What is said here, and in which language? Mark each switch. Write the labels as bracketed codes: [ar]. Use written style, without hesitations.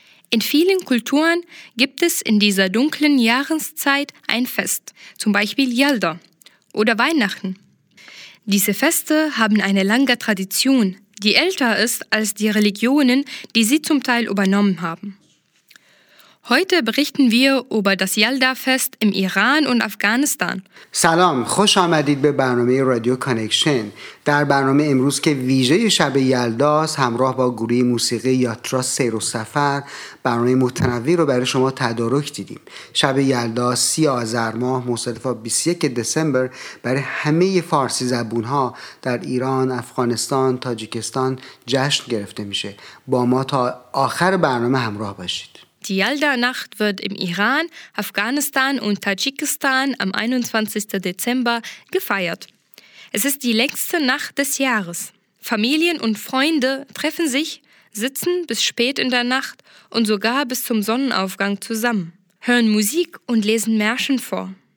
[de] In vielen Kulturen gibt es in dieser dunklen Jahreszeit ein Fest, zum Beispiel Yalda oder Weihnachten. Diese Feste haben eine lange Tradition, die älter ist als die Religionen, die sie zum Teil übernommen haben. Heute berichten wir über das Yalda-Fest im Iran und Afghanistan. [fa] Salam, خوش آمدید به برنامه رادیو کانکشن. در برنامه امروز که ویژه شب یلداست، همراه با گروه موسیقی یاترا سیر و سفر، برنامه متنوع رو برای شما تدارک دیدیم. شب یلدا 30 آذر ماه مصادف با 21 دسامبر برای همه فارسی زبون‌ها در ایران، افغانستان، تاجیکستان جشن گرفته میشه. با ما تا آخر برنامه همراه باشید. [de] Die Yalda-Nacht wird im Iran, Afghanistan und Tadschikistan am 21. Dezember gefeiert. Es ist die längste Nacht des Jahres. Familien und Freunde treffen sich, sitzen bis spät in der Nacht und sogar bis zum Sonnenaufgang zusammen, hören Musik und lesen Märchen vor.